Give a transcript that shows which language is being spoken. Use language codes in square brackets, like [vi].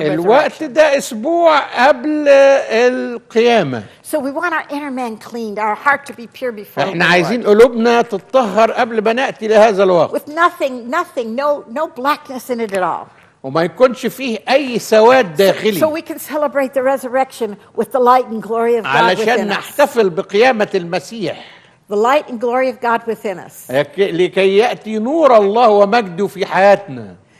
[ar] الوقت ده أسبوع قبل القيامة. [en] So we want our inner man cleaned, our heart to be pure before. [ar] إحنا عايزين قلوبنا تتطهر قبل ما نأتي لهذا الوقت. [en] With nothing, no blackness in it at all. [ar] وما يكونش فيه أي سواد داخلي. [en] So we can celebrate the resurrection with the light and glory of God within us. [ar] علشان نحتفل بقيامة المسيح. [en] The light and glory of God within us. [ar] لكي يأتي نور الله ومجده في حياتنا.